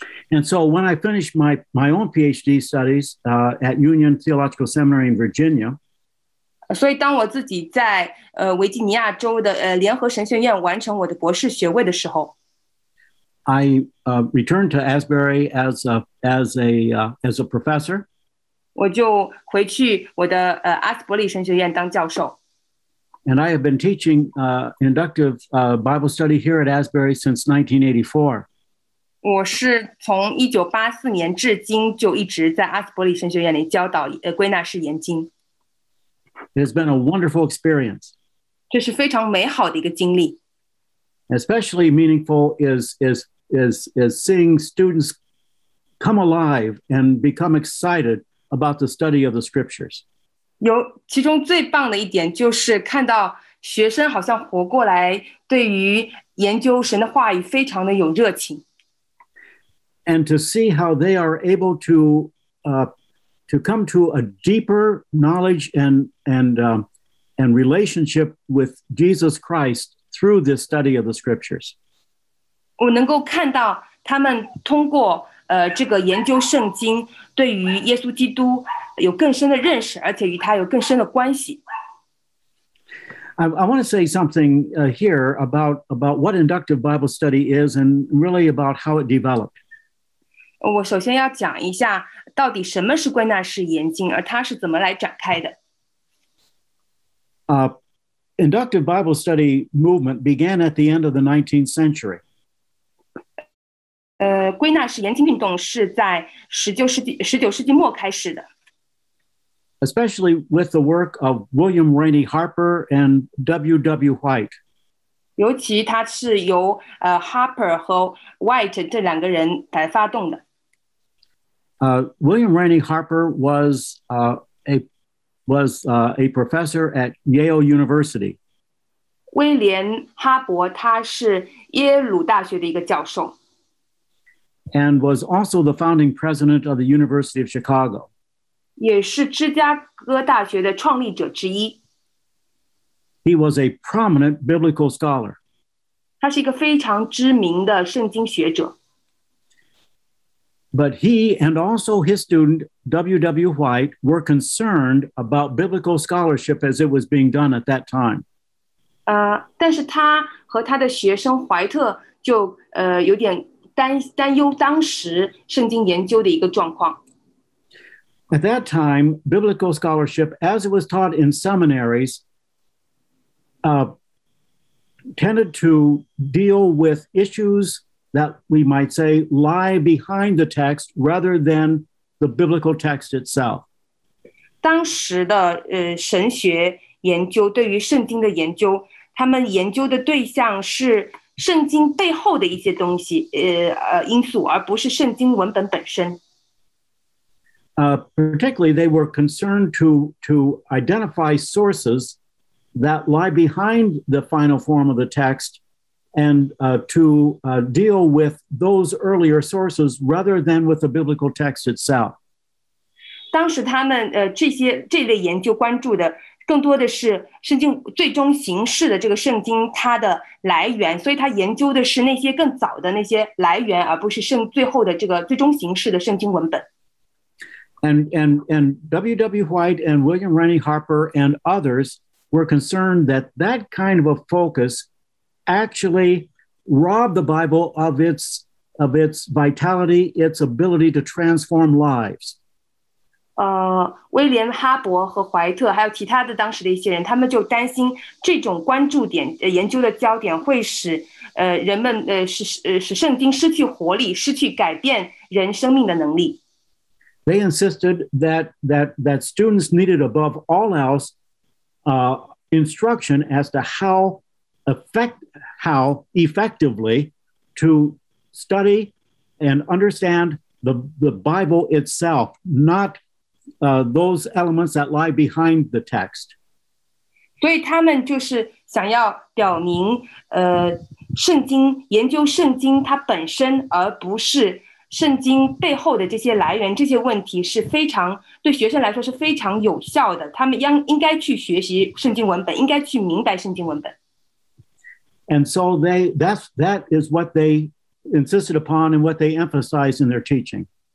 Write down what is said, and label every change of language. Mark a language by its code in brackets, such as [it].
[en] And so when I finished my own PhD studies at Union Theological Seminary in Virginia, [zh] 所以当我自己在维吉尼亚州的联合神学院完成我的博士学位的时候 [en] I returned to Asbury as a professor. [zh] 我就回去我的阿斯伯里神学院当教授。 [en] And I have been teaching inductive Bible study here at Asbury since 1984. [zh] 我是从1984年至今就一直在阿斯伯里神学院里教导归纳式研经。 [en] It has been a wonderful experience. [zh] 这是非常美好的一个经历。 [en] Especially meaningful is seeing students come alive and become excited about the study of the scriptures. [zh] 其中最棒的一点就是看到学生好像活过来，对于研究神的话语非常的有热情。 [en] And to see how they are able to come to a deeper knowledge and relationship with Jesus Christ through this study of the scriptures. [zh] 我能够看到他们通过这个研究圣经对于耶稣基督有更深的认识，而且与他有更深的关系。 [en] I want to say something here about what inductive Bible study is and really about how it developed. [zh] 我首先要讲一下到底什么是归纳式研经而它是怎么来展开的。 [en] Inductive Bible study movement began at the end of the 19th century. [zh] 归纳式研经运动是在19世纪末开始的。 [en] Especially with the work of William Rainey Harper and W.W. White. [zh] 尤其它是由Harper 和 White 这两个人来发动的。 [en] William Rainey Harper was a professor at Yale University. [zh] 威廉哈伯他是耶鲁大学的一个教授。 [en] And was also the founding president of the University of Chicago. [zh] 也是芝加哥大学的创立者之一。 [en] He was a prominent biblical scholar. [zh] 他是一个非常知名的圣经学者。 [en] But he and also his student, W.W. White, were concerned about biblical scholarship as it was being done at that time. [zh] 但是他和他的学生怀特就有点担忧当时圣经研究的一个状况。 [en] At that time, biblical scholarship, as it was taught in seminaries, tended to deal with issues that we might say lie behind the text rather than the biblical text itself. [zh] 当时的神学研究对于圣经的研究，他们研究的对象是圣经背后的一些东西，因素，而不是圣经文本本身。 [en] Particularly, they were concerned to identify sources that lie behind the final form of the text and deal with those earlier sources rather than with the biblical text itself. [zh] 当时他们这类研究关注的更多的是圣经最终形式的这个圣经它的来源，所以他研究的是那些更早的那些来源，而不是最后的这个最终形式的圣经文本。 [en] And W.W. White and William Rainey Harper and others were concerned that that kind of a focus actually robbed the Bible of its vitality, its ability to transform lives. [zh] 威廉·哈伯和怀特还有其他的当时的一些人，他们就担心这种关注点研究的焦点会使人们使圣经失去活力，失去改变人生命的能力。 [en] They insisted that students needed above all else instruction as to how effectively to study and understand the Bible itself, not those elements that lie behind the text. [zh] 所以他们就是想要表明圣经研究圣经它本身，而不是圣经背后的这些来源，这些问题是非常对学生来说是非常有效的。他们应该去学习圣经文本，应该去明白圣经文本。 [en] And so that is what they insisted upon and what they emphasized in their teaching.